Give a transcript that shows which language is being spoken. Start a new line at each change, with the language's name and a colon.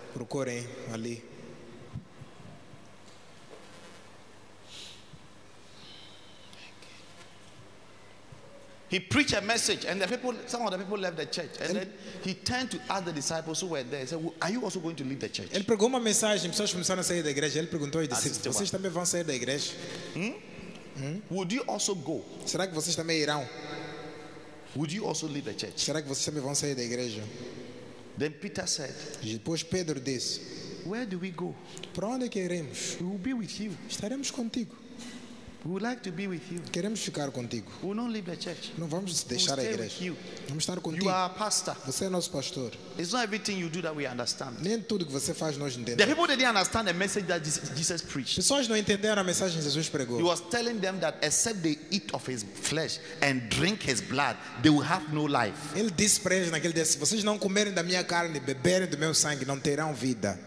Portuguese: Procurem ali.
English: He preached a message and the people, some of the people left the church. And then he turned to other disciples who were there. He said, well, are you also going to leave the church?
Portuguese: Ele pregou uma mensagem, pessoas começaram a sair da igreja. Ele perguntou aos discípulos, vocês também vão sair da igreja?
English: Would you also go?
Portuguese: Será que vocês também irão?
English: Would you also leave the church?
Portuguese: Será que vocês também vão sair da igreja?
English: Then Peter said,
Portuguese: depois Pedro disse,
English: where do we go?
Portuguese: Para onde queremos?
English: We will be with you.
Portuguese: Estaremos contigo.
English: We would like to be with you.
Portuguese: Queremos ficar contigo.
English: We will not leave the church.
Portuguese: Não vamos deixar
English: we'll
Portuguese: a igreja.
English: You.
Portuguese: Vamos estar contigo.
English: You are a pastor.
Portuguese: Você é nosso pastor.
English: It's not everything you do that we understand.
Portuguese: Nem tudo que você faz nós entendemos.
English: The people didn't understand the message that Jesus preached.
Portuguese: Pessoas não entenderam a mensagem que Jesus pregou.
English: He was telling them that except they eat of his flesh and drink his blood, they will have no life.
Portuguese: Ele disse para eles naquele dia, se vocês não comerem da minha carne e beberem do meu sangue, não terão vida.